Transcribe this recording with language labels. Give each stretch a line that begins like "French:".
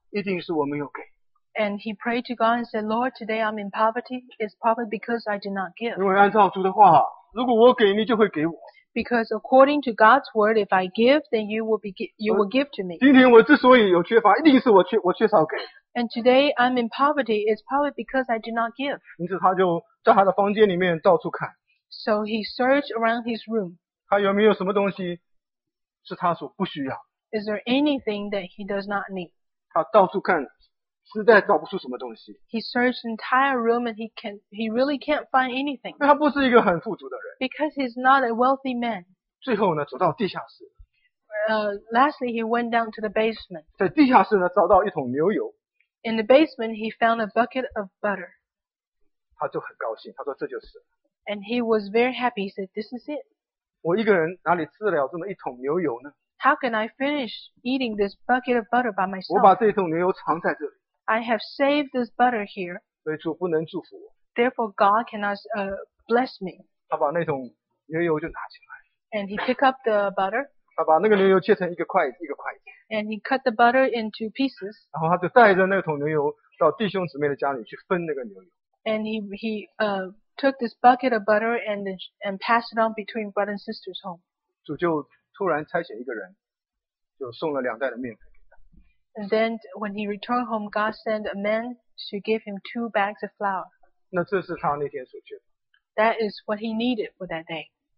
Chinese: 一定是我没有给。
English: And he prayed to God and said, Lord, today I'm in poverty. It's probably because I did not give.
Chinese: 因为按照主的话，如果我给，你就会给我。
English: Because according to God's word, if I give, then you will give to me.
Chinese: 今天我之所以有缺乏，一定是我缺少给。
English: And today I'm in poverty. It's probably because I did not give.
Chinese: 因此他就在他的房间里面到处看。
English: So he searched around his room.
Chinese: 他有没有什么东西是他所不需要？
English: Is there anything that he does not need?
Chinese: 他到处看，实在找不出什么东西。
English: He searched the entire room and he really can't find anything.
Chinese: 他不是一个很富足的人。
English: Because he's not a wealthy man.
Chinese: 最后呢，走到地下室。
English: Lastly, he went down to the basement.
Chinese: 在地下室呢，找到一桶牛油。
English: In the basement, he found a bucket of butter.
Chinese: 他就很高兴，他说这就是。
English: And he was very happy. He said, "This is it."
Chinese: 我一个人哪里吃得了这么一桶牛油呢？
English: How can I finish eating this bucket of butter by myself?
Chinese: 我把这桶牛油藏在这里。
English: I have saved this butter here.
Chinese: 所以主不能祝福我。
English: Therefore, God cannot bless me.
Chinese: 他把那桶牛油就拿起来。
English: And he picked up the butter.
Chinese: 他把那个牛油切成一个块一个块。
English: And he cut the butter into pieces.
Chinese: 然后他就带着那桶牛油到弟兄姊妹的家里去分那个牛油。
English: And he took this bucket of butter and passed it on between brother and sister's home.
Chinese: 主就突然差遣一个人，就送了两袋的面粉给他。
English: And then when he returned home, God sent a man to give him two bags of flour.
Chinese: 那这是他那天所缺的。
English: That is what he needed for that day.